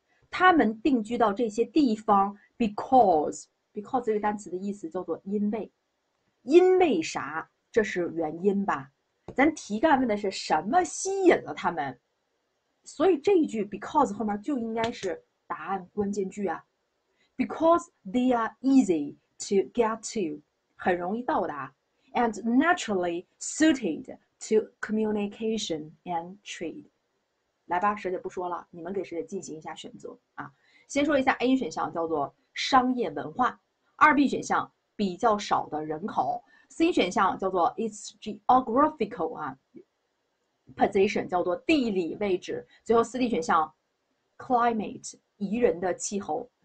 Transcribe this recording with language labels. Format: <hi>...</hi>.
<zh>他们定居到这些地方，because 这个单词的意思叫做因为，因为啥？这是原因吧？咱题干问的是什么吸引了他们？所以这一句 because 后面就应该是答案关键句啊。</zh> <en>Because they are easy to get to，</en> <zh>很容易到达，</zh> <en>and naturally suited to communication and trade。</en> <zh>来吧，师姐不说了，你们给师姐进行一下选择啊。先说一下 A 选项叫做商业文化，2B 选项比较少的人口，C 选项叫做</zh> <en>its geographical</en> <zh>啊 position 叫做地理位置，最后 4D 选项 climate 宜人的气候。</zh>